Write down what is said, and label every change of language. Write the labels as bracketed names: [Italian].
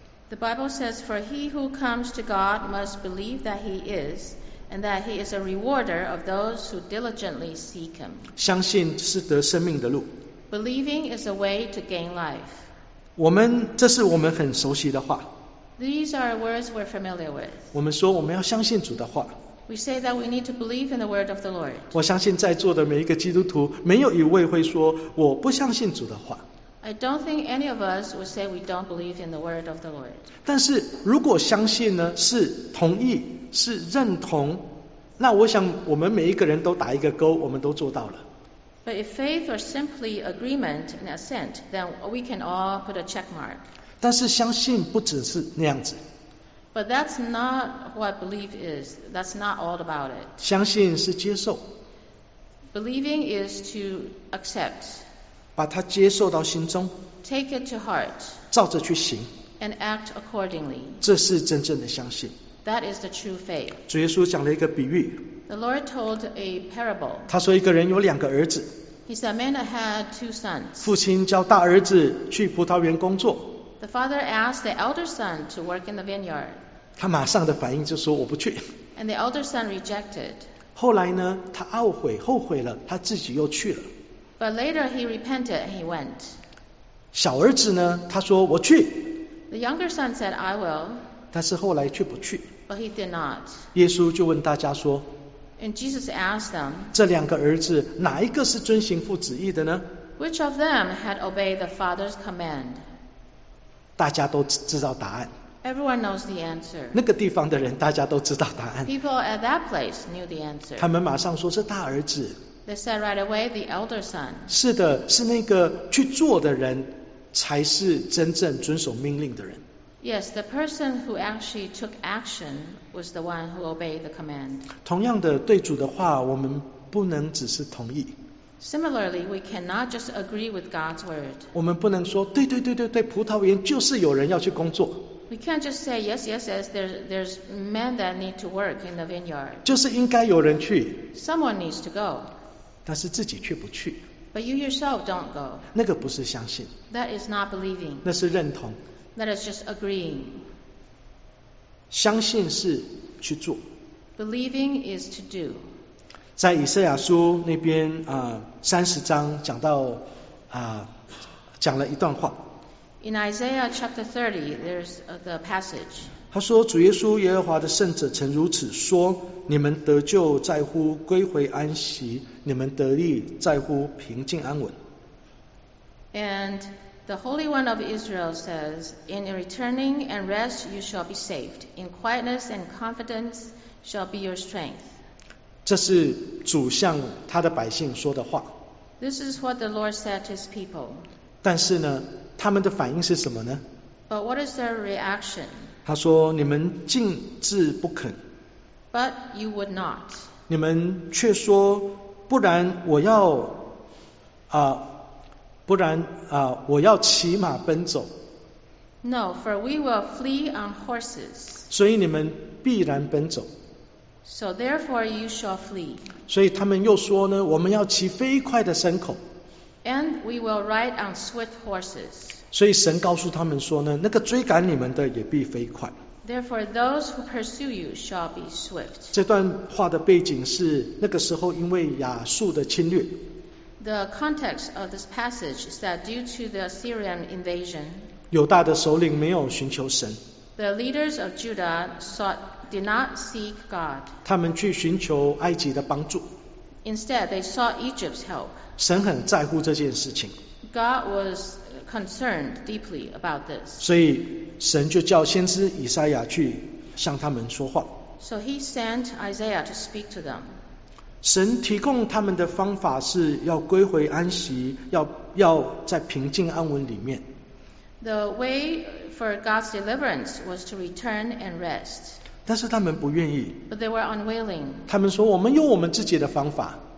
[English] The Bible says, for he who comes to God must believe that he is, and that he is a rewarder of those who diligently seek him. [Chinese] 相信是得生命的路。 [English] Believing is a way to gain life. [Chinese] 我们，这是我们很熟悉的话。 [English] These are words we're familiar with. [Chinese] 我们说我们要相信主的话。 [English] We say that we need to believe in the word of the Lord. [Chinese] 我相信在座的每一个基督徒，没有一位会说我不相信主的话。 [English] I don't think any of us would say we don't believe in the word of the Lord. [Chinese] 但是如果相信呢，是同意，是认同，那我想我们每一个人都打一个勾，我们都做到了。 [English] But if faith were simply agreement and assent, then we can all put a check mark. [Chinese] 但是相信不只是那样子。 [English] But that's not what belief is. That's not all about it. [Chinese] 相信是接受。 [English] Believing is to accept. [Chinese] 把它接受到心中 [English] Take it to heart, [Chinese] 照着去行 [English] and act accordingly. [Chinese] 这是真正的相信 [English] That is the true faith. [Chinese] 主耶稣讲了一个比喻 [English] The Lord told a parable. [Chinese] 他说一个人有两个儿子 [English] He said, man had two sons. [Chinese] 父亲叫大儿子去葡萄园工作 [English] The father asked the elder son to work in the vineyard. [Chinese] 他马上的反应就说我不去 [English] And the elder son rejected. [Chinese] 后来呢，他懊悔，后悔了，他自己又去了。 [English] But later he repented and he went. [Chinese] 小儿子呢，他说我去。 [English] The younger son said, I will. [Chinese] 但是后来却不去。 [English] But he did not. [Chinese] 耶稣就问大家说。 [English] And Jesus asked them. [Chinese] 这两个儿子哪一个是遵行父旨意的呢？ [English] Which of them had obeyed the father's command? [Chinese] 大家都知道答案。 [English] Everyone knows the answer. [Chinese] 那个地方的人大家都知道答案。 [English] People at that place knew the answer. [Chinese] 他们马上说是大儿子。 [English] They said right away the elder son. [Chinese] 是的，是那个去做的人才是真正遵守命令的人。 [English] Yes, the person who actually took action was the one who obeyed the command. [Chinese] 同样的，对主的话，我们不能只是同意。 [English] Similarly, we cannot just agree with God's word. [Chinese] 我们不能说对对对对对，葡萄园就是有人要去工作。 [English] We can't just say yes, yes, yes. There's men that need to work in the vineyard. [Chinese] 就是应该有人去。 [English] Someone needs to go. [Chinese] 但是自己却不去。 [English] But you yourself don't go. [Chinese] 那个不是相信。 [English] That is not believing. [Chinese] 那是认同。 [English] That is just agreeing. [Chinese] 相信是去做。 [English] Believing is to do. [Chinese] 在以赛亚书那边啊，三十章讲到啊，讲了一段话。 [English] In Isaiah chapter 30, there's the passage. [Chinese] 他说：“主耶稣耶和华的圣者曾如此说：你们得救在乎归回安息，你们得力在乎平静安稳。” [English] And the Holy One of Israel says, "In returning and rest, you shall be saved. In quietness and confidence shall be your strength." [Chinese] 这是主向他的百姓说的话。 [English] This is what the Lord said to His people. [Chinese] 但是呢？他们的反应是什么呢？ [English] But what is their reaction? [Chinese] 他说你们竟自不肯。 [English] But you would not. [Chinese] 你们却说不然我要不然我要骑马奔走。 [English] No, for we will flee on horses. [Chinese] 所以你们必然奔走。 [English] So therefore you shall flee. [Chinese] 所以他们又说呢，我们要骑飞快的牲口。 [English] And we will ride on swift horses. [Chinese] 所以神告诉他们说呢，那个追赶你们的也必飞快。 [English] Therefore, those who pursue you shall be swift. [Chinese] 这段话的背景是那个时候因为亚述的侵略。 [English] The context of this passage is that due to the Assyrian invasion, [Chinese] 犹大的首领没有寻求神。 [English] The leaders of Judah did not seek God. [Chinese] 他们去寻求埃及的帮助。 [English] Instead, they sought Egypt's help. [Chinese] 神很在乎这件事情。 [English] God was concerned deeply about this. [Chinese] 所以神就叫先知以赛亚去向他们说话。 [English] So he sent Isaiah to speak to them. [Chinese] 神提供他们的方法是要归回安息，要在平静安稳里面。 [English] The way for God's deliverance was to return and rest. [Chinese] 但是他们不愿意。 [English] But they were unwilling. [Chinese] 他们说我们用我们自己的方法。